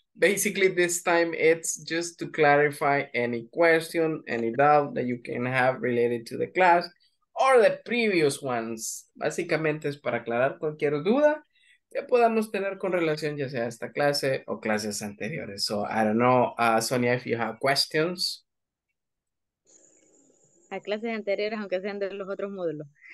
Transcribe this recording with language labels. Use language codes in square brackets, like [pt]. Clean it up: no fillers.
[en] Basically, this time, it's just to clarify any question, any doubt that you can have related to the class or the previous ones. [es] Básicamente, es para aclarar cualquier duda que podamos tener con relación ya sea a esta clase o clases anteriores. [en] So, I don't know, Sonia, if you have questions. [es] A clases anteriores, aunque sean de los otros módulos.